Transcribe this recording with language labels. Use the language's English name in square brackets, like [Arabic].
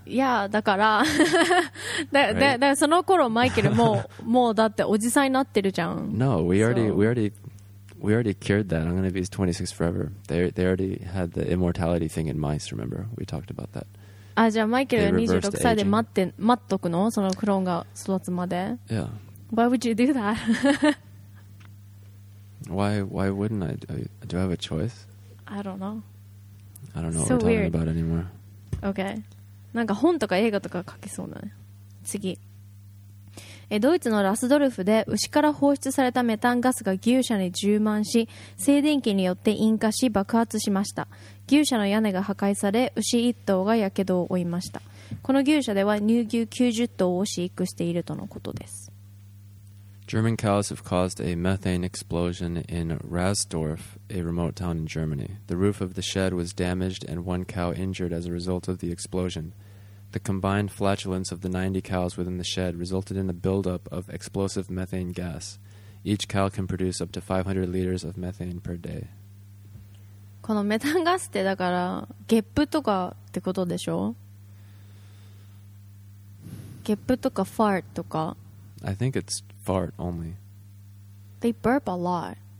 [English] Yeah, [Japanese] だから だその頃マイケルもうだっておじさんになってるじゃん。 [English] No, we already cured that. I'm going to be 26 forever. They already had the immortality thing in mice, remember? We talked about that. [Japanese] あ、じゃあマイケルは26歳で待っとくの?そのクローンが育つまで? [English] Yeah. Why would you do that? Why wouldn't I? Do I have a choice? I don't know what we're talking about anymore. Okay. [Japanese] なんか本とか映画とか書きそうなね。次。ドイツのラスドルフで牛から放出されたメタンガスが牛舎に充満し、静電気によって引火し爆発しました。牛舎の屋根が破壊され、牛一頭が火傷を負いました。この牛舎では乳牛90頭を飼育しているとのことです。 [English] German cows have caused a methane explosion in Rasdorf, a remote town in Germany. The roof of the shed was damaged and one cow injured as a result of the explosion. The combined flatulence of the 90 cows within the shed resulted in a buildup of explosive methane gas. Each cow can produce up to 500 liters of methane per day. [Japanese] このメタンガスってだからゲップとかってことでしょ？ゲップとかファートとか。 [English] I think it's fart only. They burp a lot.